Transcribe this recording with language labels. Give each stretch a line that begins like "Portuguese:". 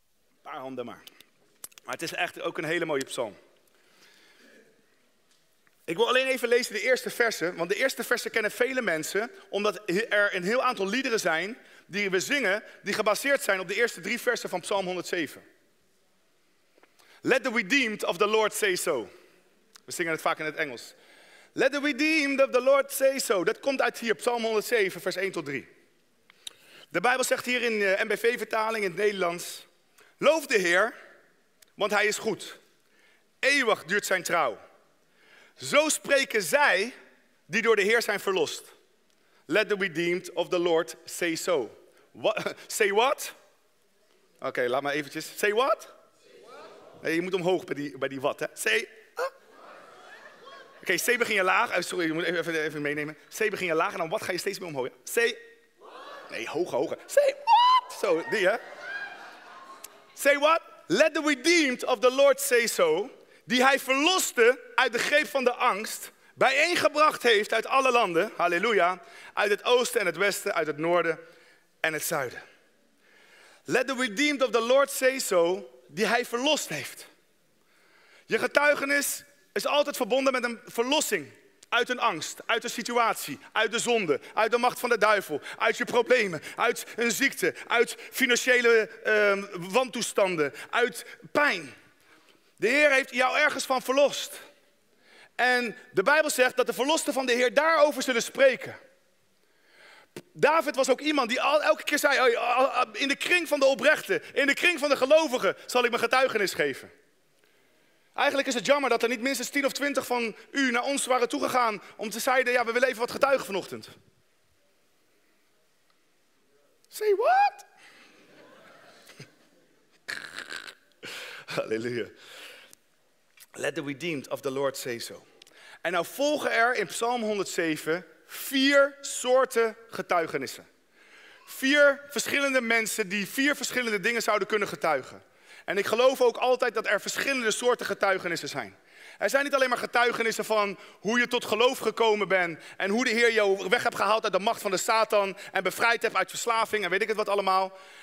Dutch: Een paar handen maar. Maar het is echt ook een hele mooie psalm. Ik wil alleen even lezen de eerste versen, want de eerste versen kennen vele mensen, omdat er een heel aantal liederen zijn die we zingen, die gebaseerd zijn op de eerste 3 versen van Psalm 107.
English: Let the redeemed of the Lord say so.
Dutch: We zingen het vaak in het Engels.
English: Let the redeemed of the Lord say so.
Dutch: Dat komt uit hier, Psalm 107, vers 1 tot 3. De Bijbel zegt hier in de NBV-vertaling in het Nederlands. Loof de Heer, want Hij is goed. Eeuwig duurt zijn trouw. Zo spreken zij die door de Heer zijn verlost.
English: Let the redeemed of the Lord say so. Say what?
Dutch: Oké, laat maar eventjes. Say what? Nee, je moet omhoog bij die wat, hè? Oké, C begin je laag. Sorry, je moet even meenemen. C begin je laag en dan wat ga je steeds meer omhoog. Ja? C. Nee, hoger. C. What? Zo, die hè. C what?
English: Let the redeemed of the Lord say so.
Dutch: Die hij verloste uit de greep van de angst. Bijeengebracht heeft uit alle landen. Halleluja. Uit het oosten en het westen. Uit het noorden en het zuiden.
English: Let the redeemed of the Lord say so.
Dutch: Die hij verlost heeft. Je getuigenis is altijd verbonden met een verlossing uit een angst, uit een situatie, uit de zonde, uit de macht van de duivel, uit je problemen, uit een ziekte, uit financiële wantoestanden, uit pijn. De Heer heeft jou ergens van verlost. En de Bijbel zegt dat de verlosten van de Heer daarover zullen spreken. David was ook iemand die elke keer zei, in de kring van de oprechten, in de kring van de gelovigen zal ik mijn getuigenis geven. Eigenlijk is het jammer dat er niet minstens 10 of 20 van u naar ons waren toegegaan om te zeiden, ja, we willen even wat getuigen vanochtend.
English: Say what? Halleluja. Let the redeemed of the Lord say so.
Dutch: En nou volgen er in Psalm 107 4 soorten getuigenissen. 4 verschillende mensen die 4 verschillende dingen zouden kunnen getuigen. En ik geloof ook altijd dat er verschillende soorten getuigenissen zijn. Er zijn niet alleen maar getuigenissen van hoe je tot geloof gekomen bent en hoe de Heer jou weg hebt gehaald uit de macht van de Satan en bevrijd hebt uit verslaving en weet ik het wat allemaal.